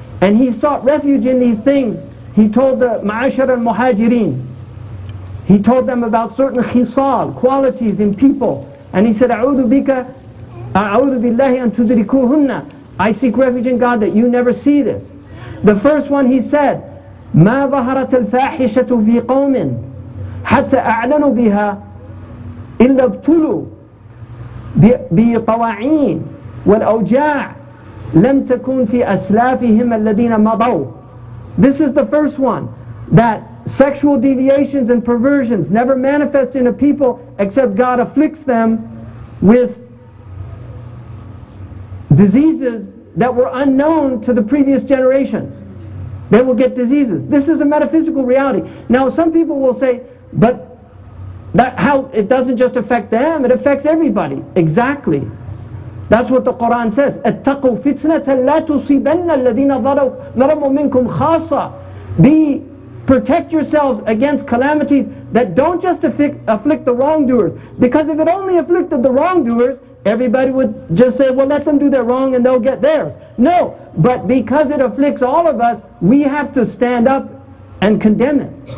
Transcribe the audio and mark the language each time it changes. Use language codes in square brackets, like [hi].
[en] And he sought refuge in these things. He told the Ma'ashar al-Muhajireen. He told them about certain khisal, qualities in people. And he said, [ar] A'udhu billahi an tudrikuhunna. [en] I seek refuge in God that you never see this. The first one he said, [ar] ما ظهرت الفاحشة في قوم حتى أعلنوا بها إلا ابتلوا بطواعين والأوجاع لم تكون في أسلافهم الذين مضوا. [en] This is the first one, that sexual deviations and perversions never manifest in a people except God afflicts them with diseases that were unknown to the previous generations. They will get diseases. This is a metaphysical reality. Now some people will say, but it doesn't just affect them, it affects everybody. Exactly. That's what the Quran says. [ar] اتقوا فتنة لا تصيبن الذين ظلموا منكم خاصة. [en] Protect yourselves against calamities that don't just afflict the wrongdoers. Because if it only afflicted the wrongdoers, everybody would just say, well, let them do their wrong and they'll get theirs. No, but because it afflicts all of us, we have to stand up and condemn it.